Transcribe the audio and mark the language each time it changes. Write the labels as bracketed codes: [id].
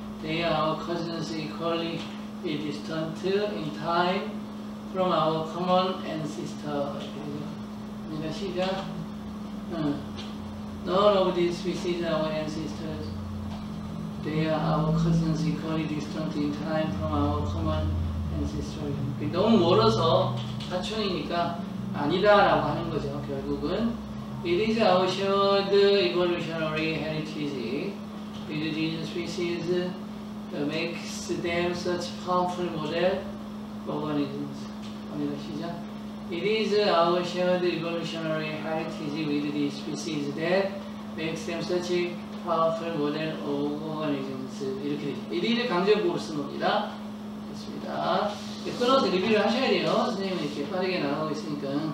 [en] They are our cousins equally distant in time from our common ancestors. [ko] 그러니까 시작. [en] None of these species are our ancestors. They are our cousins equally distant in time from our common ancestors. [ko] 너무 멀어서 사촌이니까 아니다라고 하는 거죠, 결국은. [en] It is our shared evolutionary heritage with these species that makes them such powerful model organisms. [ko] 오늘 시작. [en] It is our shared evolutionary heritage with these species that makes them such a powerful model of organisms. [ko] 이렇게 되죠. 이리를 강조해보고 쓴 겁니다. 됐습니다. 끊어서 리뷰를 하셔야 돼요. 선생님은 이렇게 빠르게 나가고 있으니까.